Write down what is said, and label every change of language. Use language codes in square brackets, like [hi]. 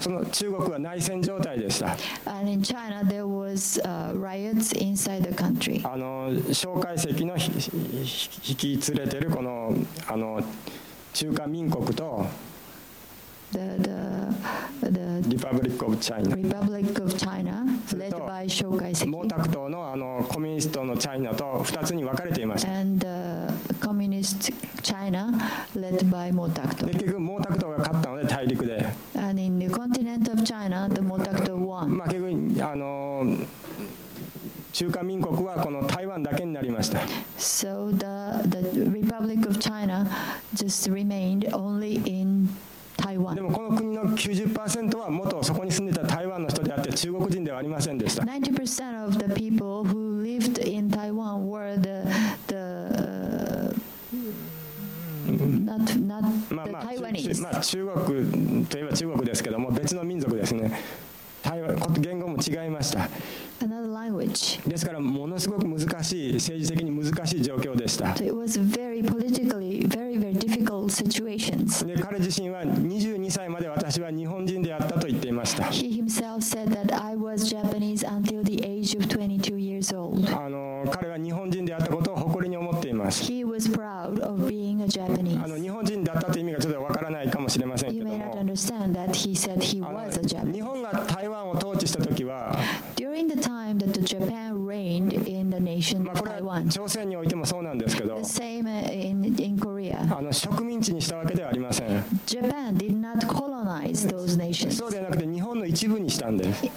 [ja] その中国は内戦状態でした。 [en] And in China, there was riots inside the country. [ja] 蒋介石の引き連れてるこの中華民国と [en] the Republic of China. Republic of China, led by 蒋介石。 [ja] 毛沢東のコミュニストのチャイナと二つに分かれていました。 [en] And the communist China, led by 毛沢東。 [ja] 結局毛沢東が勝ったので大陸で。 [en] And in the continent of China, the 毛沢東won. [ja] 結局中華民国はこの台湾だけになりました。 [en] So the Republic of China just remained only in Taiwan. [ja] でもこの国の 90% は元そこに住んでた台湾の人であって中国人ではありませんでした。 [en] 90% of the people who lived in Taiwan were the not Taiwanese. [ja] 中国といえば中国ですけども別の民族ですね。言語も違いました。 [en] Another language. [ja] ですからものすごく難しい政治的に難しい状況でした。 [en] So、it was very politically very very difficult situations. [ja] で彼自身は22歳まで私は日本人であったと言っていました。 [en] He himself said that I was Japanese until the age of 22 years old. [ja] 彼は日本人であったことを誇りに思っています。 [en] He was proud of being a Japanese. [ja] 日本人だったという意味がちょっとわからないかもしれませんけども。 [en] You may not understand that he said he was a Japanese. [ja] 日本が台湾を統治した時は。 [en] During the time that Japan reigned in the nation Taiwan. [ja] これは朝鮮においてもそうなんですけど。 [en] The same in Korea. [ja] 植民地にしたわけではありません。 [en] Japan did not colonize those nations. [ja] そうではなくて日本の一部にしたんです。